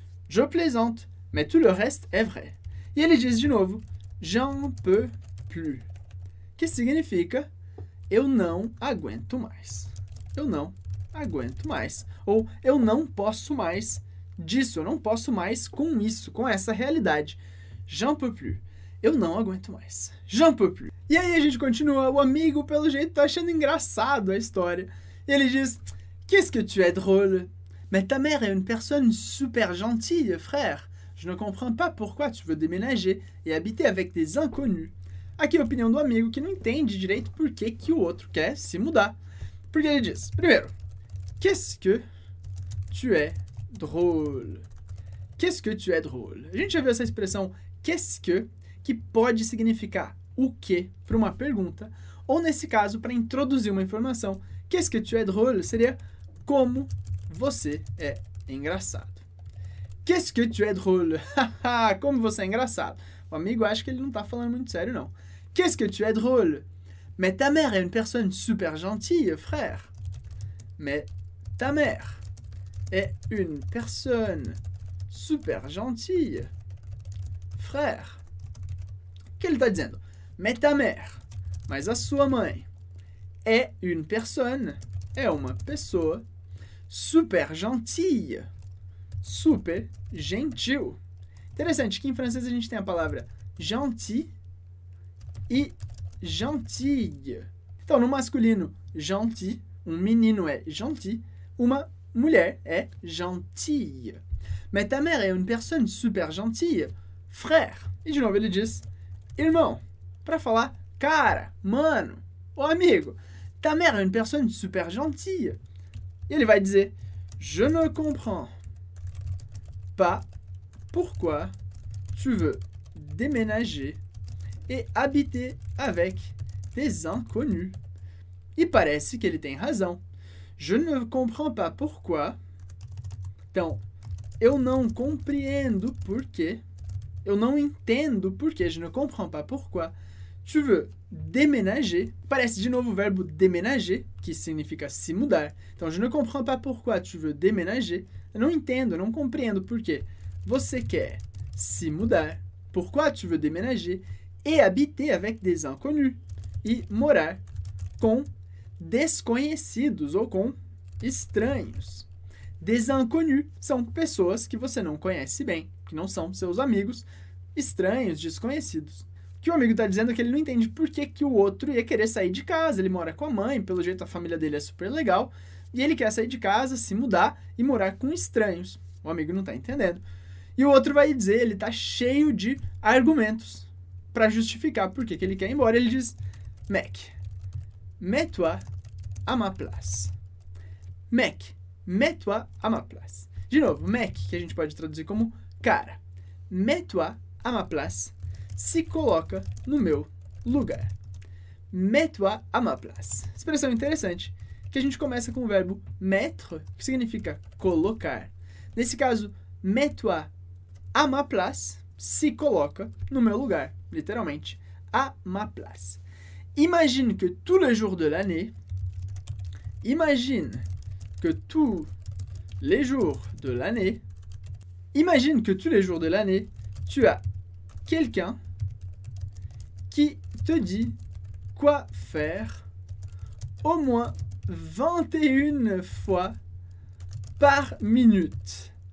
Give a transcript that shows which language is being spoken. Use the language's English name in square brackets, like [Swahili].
[French] Je plaisante, mais tout le reste est vrai. [Portuguese] E ele diz de novo, [French] j'en peux plus. [Portuguese] Que significa, eu não aguento mais. Eu não aguento mais. Ou, eu não posso mais disso. Eu não posso mais com isso, com essa realidade. [French] J'en peux plus. [Portuguese] Eu não aguento mais. [French] J'en peux plus. [Portuguese] E aí a gente continua. O amigo, pelo jeito, tá achando engraçado a história. Ele diz, [French] qu'est-ce que tu es drôle? Mais ta mère est une personne super gentille, frère. Je ne comprends pas pourquoi tu veux déménager et habiter avec des inconnus. [Portuguese] Aqui a opinião do amigo que não entende direito por que que o outro quer se mudar. Porque ele diz, primeiro, [French] qu'est-ce que tu es drôle? Qu'est-ce que tu es drôle? [Portuguese] A gente já viu essa expressão qu'est-ce que pode significar o quê para uma pergunta, ou nesse caso, para introduzir uma informação. Qu'est-ce que tu es drôle? Seria como você é engraçado. [French] Qu'est-ce que tu es drôle? [Portuguese] Como você é engraçado. O amigo acha que ele não está falando muito sério, não. [French] Qu'est-ce que tu es drôle? Mais ta mère est une personne super gentille, frère. Mais ta mère est une personne super gentille, frère. Qu'est-ce que tu as dit? Mais ta mère, [Portuguese] mais a sua mãe, [French] est une personne, [Portuguese] é uma pessoa, super gentille. Super gentil. Interessante que em francês a gente tem a palavra gentil e gentille. Então, no masculino, gentil, um menino é gentil, uma mulher é gentille. [French] Mais ta mère est une personne super gentille, frère. [Portuguese] E de novo ele diz, irmão, para falar, cara, mano, ou amigo, [French] ta mère est une personne super gentille. [Portuguese] E ele vai dizer, [French] je ne comprends pas pourquoi tu veux déménager et habiter avec des inconnus. [Portuguese] E parece que ele tem razão. [French] Je ne comprends pas pourquoi. [Portuguese] Então, eu não compreendo porquê. Eu não entendo porquê. [French] Je ne comprends pas pourquoi. Tu veux déménager. [Portuguese] Parece de novo o verbo déménager, que significa se mudar. Então, [French] je ne comprends pas pourquoi tu veux déménager. [Portuguese] Eu não entendo, não compreendo porquê. Você quer se mudar. [French] Pourquoi tu veux déménager? Et habiter avec des inconnus. [Portuguese] E morar com desconhecidos ou com estranhos. Des inconnus são pessoas que você não conhece bem, que não são seus amigos, estranhos, desconhecidos. O que o amigo está dizendo é que ele não entende por que, que o outro ia querer sair de casa. Ele mora com a mãe, pelo jeito a família dele é super legal, e ele quer sair de casa, se mudar e morar com estranhos. O amigo não está entendendo. E o outro vai dizer, ele está cheio de argumentos para justificar por que, que ele quer ir embora. Ele diz, [French] Mec, mets-toi à ma place. Mec, mets-toi à ma place. [Portuguese] De novo, mec, que a gente pode traduzir como cara. [French] Mets-toi à ma place. [Portuguese] Se coloca no meu lugar. [French] Mets-toi à ma place. [Portuguese] Expressão interessante, que a gente começa com o verbo mettre, que significa colocar. Nesse caso, [French] mets-toi à ma place. [Portuguese] Se coloca no meu lugar. Literalmente, à ma place. [French] Imagine que tous les jours de l'année, imagine que tous les jours de l'année, imagine que tous les jours de l'année, tu as quelqu'un qui te dit quoi faire au moins 21 fois par minute.